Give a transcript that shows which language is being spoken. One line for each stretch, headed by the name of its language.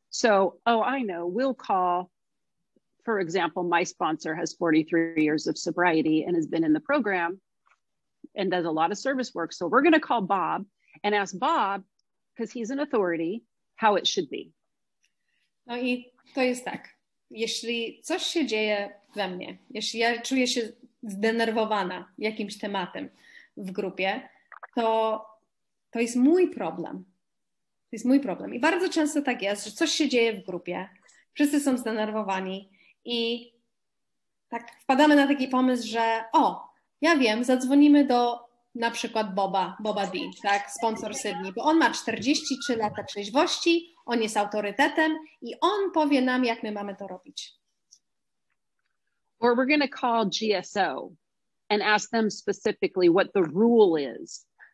English: So, oh, I know, we'll call, for example, my sponsor has 43 years of sobriety and has been in the program and does a lot of service work. So we're going to call Bob and ask Bob, because he's an authority, how it should be.
Polish: No i to jest tak. Jeśli coś się dzieje we mnie, jeśli ja czuję się zdenerwowana jakimś tematem w grupie, to jest mój problem. To jest mój problem. I bardzo często tak jest, że coś się dzieje w grupie, wszyscy są zdenerwowani i tak wpadamy na taki pomysł, że o, ja wiem, zadzwonimy do na przykład Boba D, tak, sponsor Sydney, bo on ma 43 lata trzeźwości, on jest autorytetem i on powie nam, jak my mamy to robić.
English: Or we're going to call GSO and ask them specifically what the rule is.